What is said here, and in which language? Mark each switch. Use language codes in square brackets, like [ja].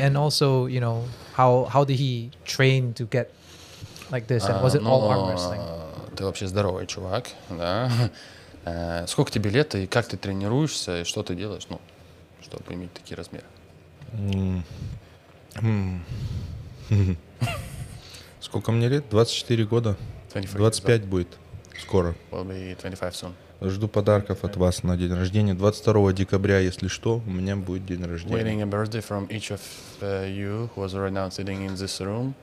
[en] And also, you know, how did he train to get like this? And was it all arm wrestling? [ru] Ты вообще здоровый чувак, да? Сколько тебе лет и как ты тренируешься и что ты делаешь, ну, чтобы иметь такие размеры? Сколько мне лет? 24 года. 25 будет скоро. [en] We'll be 25 soon. [ru] Жду подарков от вас на день рождения. 22 декабря, если что, у меня будет день рождения. [en] Waiting a birthday from each of you who was right now sitting in this room.